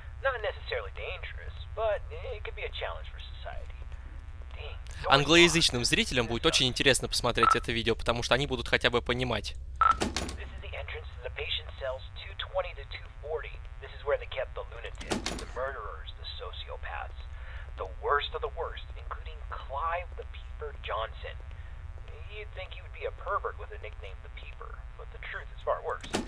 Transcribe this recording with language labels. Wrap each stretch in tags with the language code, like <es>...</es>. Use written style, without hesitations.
<en>Not necessarily dangerous, but it could be a challenge for society. Dang,</en> <ru>англоязычным зрителям будет очень интересно посмотреть это видео, потому что они будут хотя бы понимать.</ru> <en>This is the entrance to the patient cells 220 to 240. This is where they kept the lunatics, the murderers, the sociopaths. The worst of the worst, including Clive the Peeper Johnson. You'd think he would be a pervert with a nickname the Peeper, but the truth is far worse.</en>